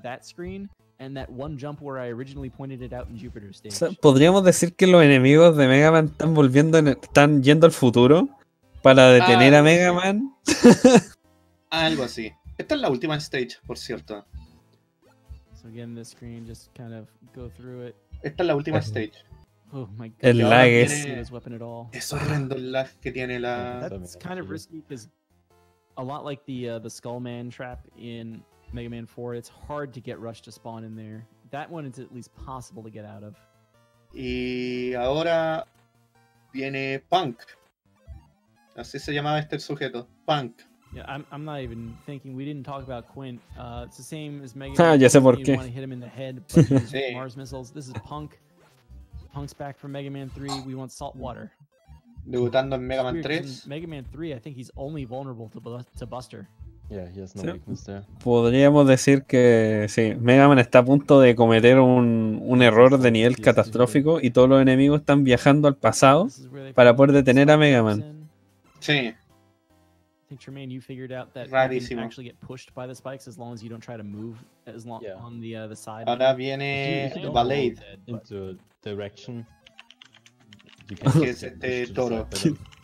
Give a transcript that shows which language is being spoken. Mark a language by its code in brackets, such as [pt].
[en] that screen and that one jump where I originally pointed it out in Jupiter stage. [es] O sea, podríamos decir que los enemigos de Mega Man están volviendo están yendo al futuro para detener a Mega Man. Algo así. Esta es la última stage, por cierto. [en] So again, this screen just kind of go through it. [es] Esta es la última stage. [en] Oh my god. [es] El lag es horrendo el lag que tiene la [en] That's kind of risky because a lot like the Skull Man trap in Mega Man 4, it's hard to get Rush to spawn in there. that one is at least possible to get out of. [es] Y ahora viene Punk. Así se llamaba este sujeto, Punk. [en] Yeah, I'm not even thinking. We didn't talk about Quint. It's the same as Mega. [es] Ah, ya sé por qué. [en] You want to hit him in the head, but Mars missiles. This is Punk. Punk's back from Mega Man 3. We want salt water. [es] Debutando en Mega Man 3. [en] In Mega Man 3, I think he's only vulnerable to Buster. Yeah, he has no weakness there. [es] Podríamos decir que sí, Mega Man está a punto de cometer un error de nivel catastrófico y todos los enemigos están viajando al pasado para poder detener a Mega Man. Sí. [en] I think Tremaine, you figured out that [es] Rarísimo. [en] You can actually get pushed by the spikes as long as you don't try to move as long yeah. on the side. [es] Ahora viene [en] the ballet into a direction. You can get pushed to the side of them.